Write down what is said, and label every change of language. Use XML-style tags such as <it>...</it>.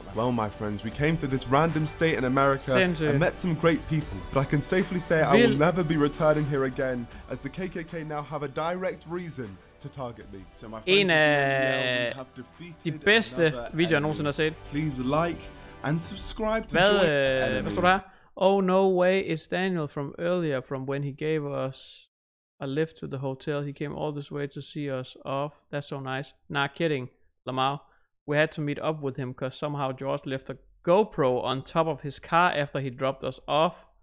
<en>Well, my friends, we came to this random state in America and met some great people. But I can safely say I will never be returning here again, as the KKK now have a direct reason to target me. So my friends,</en> <da>de bedste videoer jeg nogensinde har set.</da> <en>Please like and subscribe to</en> <da>join. Hvad står der?</da> <en>Oh no way, it's Daniel from earlier, from when he gave us a lift to the hotel. He came all this way to see us off. That's so nice. Nah, kidding, Lamar. We had to meet up with him because somehow George left a GoPro on top of his car after he dropped us off.</en>